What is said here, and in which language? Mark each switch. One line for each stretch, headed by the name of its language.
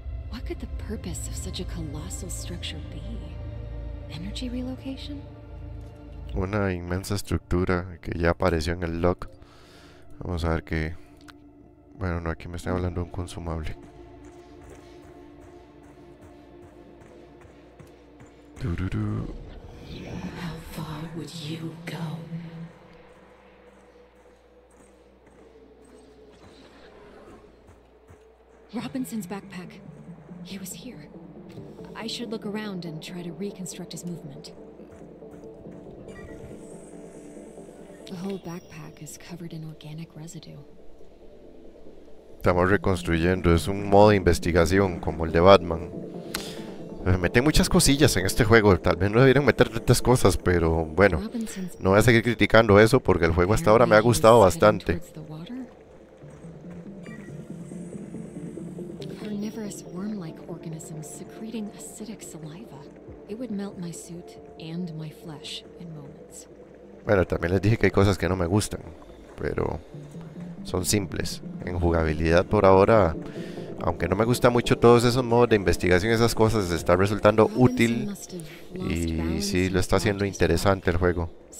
English: What could the purpose of such a colossal structure be? Energy relocation?
Spanish: Una inmensa estructura que ya apareció en el log. Vamos a ver qué. Bueno, no, aquí me están hablando de un consumable.
English: How far would you go? Robinson's backpack. He was here. I should look around and try to reconstruct his movement. The whole backpack is covered in organic residue.
Spanish: Estamos reconstruyendo. Es un modo de investigación, como el de Batman. Meten muchas cosillas en este juego. Tal vez no debieran meter tantas cosas, pero bueno, no voy a seguir criticando eso porque el juego hasta ahora me ha gustado bastante.
English: Carnivorous worm-like organisms secreting acidic saliva. It would melt my suit and my flesh in moments.
Spanish: Bueno, también les dije que hay cosas que no me gustan, pero son simples. En jugabilidad por ahora, aunque no me gusta mucho todos esos modos de investigación y esas cosas, está resultando útil y sí lo está haciendo interesante el juego.